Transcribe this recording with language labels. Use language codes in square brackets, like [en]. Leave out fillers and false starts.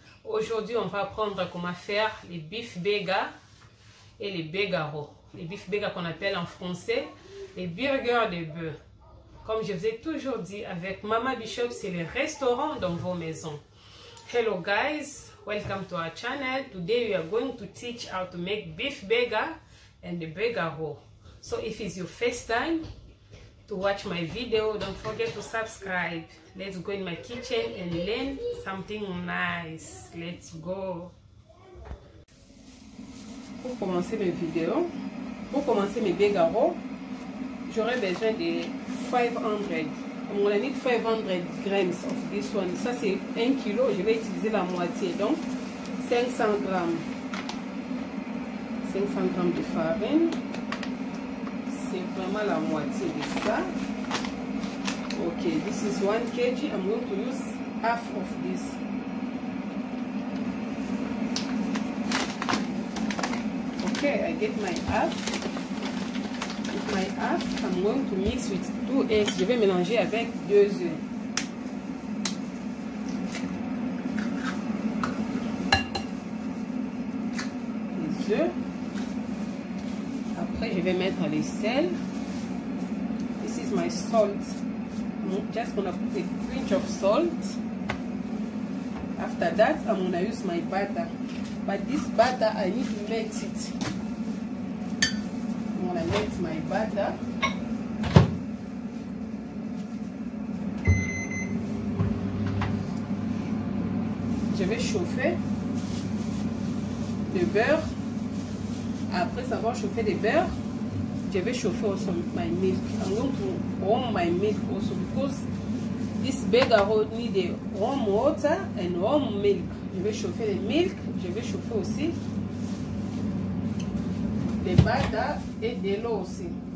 [fr] Aujourd'hui, on va apprendre comment faire les beef bega et les begaro. Les beef bega qu'on appelle en français les burgers de bœuf. Comme je vous ai toujours dit, avec Mama Bishop, c'est le restaurant dans vos maisons. [en] Hello guys, welcome to our channel. Today we are going to teach how to make beef bega and the begaro. So if it's your first time to watch my video, don't forget to subscribe. Let's go in my kitchen and learn something nice. Let's go. [fr] Pour commencer mes vidéos, pour commencer mes begaro, j'aurai besoin de 500 grammes [en] of this one. [fr] Ça c'est 1 kilo, je vais utiliser la moitié, donc 500 grammes. 500 grammes de farine, c'est vraiment la moitié de ça. [en] Ok, this is 1 kg, I'm going to use half of this. Ok, I get my half. With my half, I'm going to mix with 2 eggs. [fr] Je vais mélanger avec 2 œufs. Les œufs. Après, je vais mettre le sel. [en] This is my salt. I'm just gonna put a pinch of salt. After that, I'm gonna use my butter. But this butter, I need to melt it. I'm gonna melt my butter. [fr] Je vais chauffer le beurre. Après avoir chauffé le beurre, je vais chauffer [en] also my milk. I'm going to warm my milk also because this begaro need a warm water and warm milk. [fr] Je vais chauffer le milk, je vais chauffer aussi le butter et de l'eau aussi.